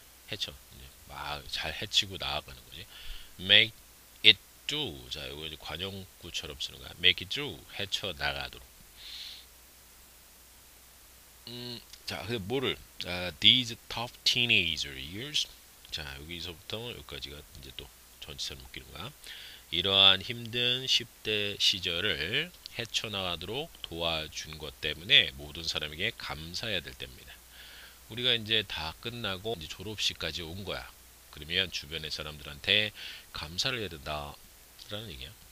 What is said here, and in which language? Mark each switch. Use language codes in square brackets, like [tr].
[ko] 헤쳐, 이제 막잘 헤치고 나아가는 거지. [en] Make it through. [ko] 자, 이거 이제 관용구처럼 쓰는 거야. [en] Make it through. [ko] 헤쳐나가도록. 자, 그 뭐를 [en] these tough teenager years. [ko] 자, 여기서부터 여기까지가 이제 또 전치사를 묶이는 거야. 이러한 힘든 10대 시절을 헤쳐나가도록 도와준 것 때문에 모든 사람에게 감사해야 될 때입니다. 우리가 이제 다 끝나고 이제 졸업식까지 온 거야. 그러면 주변의 사람들한테 감사를 해야 된다라는 얘기야.